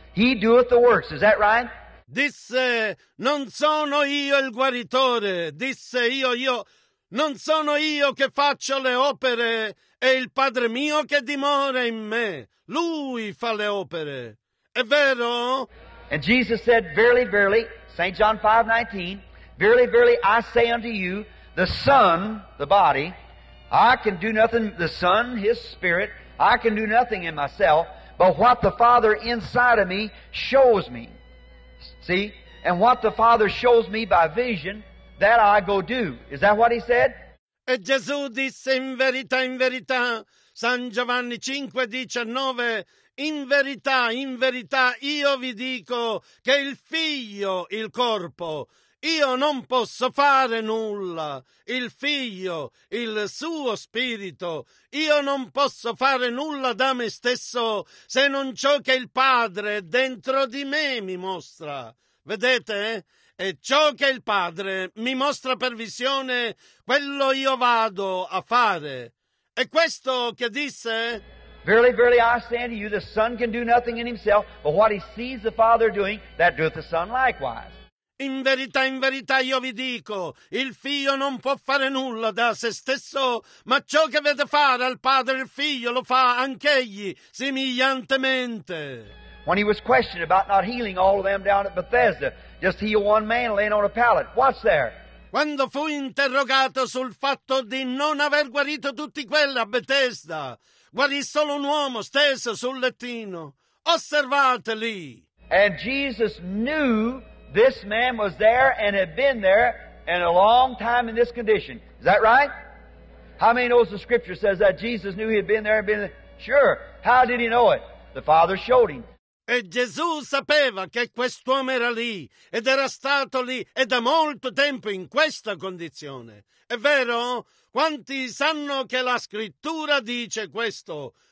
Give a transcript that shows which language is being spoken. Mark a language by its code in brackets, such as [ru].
[en] He doeth the works. Is that right? [it] Disse, non sono io il guaritore. Disse, io non sono io che faccio le opere. È il Padre mio che dimora in me. Lui fa le opere. È vero? [en] And Jesus said, verily, verily, St. John 5:19, verily, verily, I say unto you, the Son, the body, I can do nothing, the Son, His Spirit, I can do nothing in myself, but what the Father inside of me shows me. See? And what the Father shows me by vision, that I go do. Is that what He said? [it] E Gesù disse, in verità, San Giovanni 5:19, in verità, io vi dico che il Figlio, il corpo, io non posso fare nulla. Il Figlio, il suo spirito, io non posso fare nulla da me stesso se non ciò che il Padre dentro di me mi mostra. Vedete? E ciò che il Padre mi mostra per visione, quello io vado a fare. E questo che disse? [en] Verily, verily, I say unto you, the Son can do nothing in himself, but what he sees the Father doing, that doeth the Son likewise. [it] In verità, io vi dico, il Figlio non può fare nulla da se stesso, ma ciò che vede fare al Padre il Figlio lo fa anch'egli, simigliantemente. [en] When he was questioned about not healing all of them down at Bethesda, just heal one man laying on a pallet, what's there? [it] Quando fu interrogato sul fatto di non aver guarito tutti quelli a Bethesda, guarì solo un uomo steso sul lettino. Osservate lì. [en] And Jesus knew this man was there and had been there and a long time in this condition. Is that right? How many knows the scripture says that Jesus knew he had been there and been there? Sure. How did he know it? The Father showed him. [it] E Gesù sapeva che quest'uomo era lì ed era stato lì e da molto tempo in questa condizione. È vero? Quanti sanno che la scrittura dice questo?